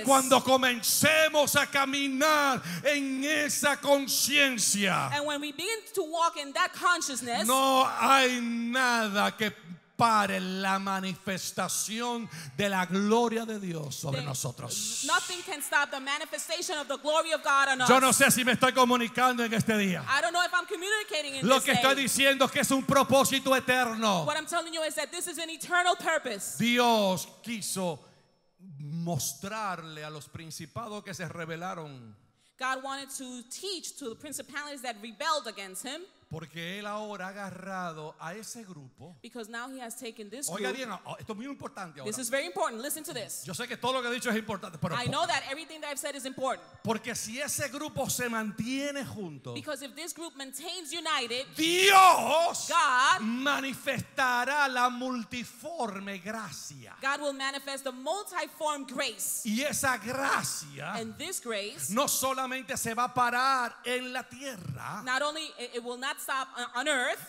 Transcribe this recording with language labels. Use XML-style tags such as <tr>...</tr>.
<es>y cuando comencemos a caminar en esa conciencia,</es> <en>and when we begin to walk in that consciousness,</en> <es>no hay nada que pare la manifestación de la gloria de Dios sobre nosotros.</es> <en>Nothing can stop the manifestation of the glory of God on us.</en> <es>Yo no sé si me estoy comunicando en este día.</es> <en>I don't know if I'm communicating in</en> <es>lo</es> <en>this</en> <es>lo que estoy</es> <en>day.</en> <es>Diciendo es que es un propósito eterno.</es> <en>What I'm telling you is that this is an eternal purpose.</en> <es>Dios quiso mostrarle a los principados que se rebelaron.</es> <en>God wanted to teach to the principalities that rebelled against him.</en> <es>Porque él ahora ha agarrado a ese grupo.</es> <en>Because now he has taken this</en> <es>group. Oiga bien, esto es muy importante ahora.</es> <en>This is very important. Listen to this.</en> <es>Yo sé que todo lo que he dicho es importante, pero</es> <en>I know that everything that I've said is important.</en> <es>Porque si ese grupo se mantiene junto,</es> <en>because if this group maintains united,</en> <es>Dios,</es> <en>God,</en> <es>manifestará la multiforme gracia.</es> <en>God will manifest the multiform grace.</en> <es>Y esa gracia,</es> <en>and this grace,</en> <es>no solamente se va a parar en la tierra,</es> <en>not only it will not stop on earth.</en>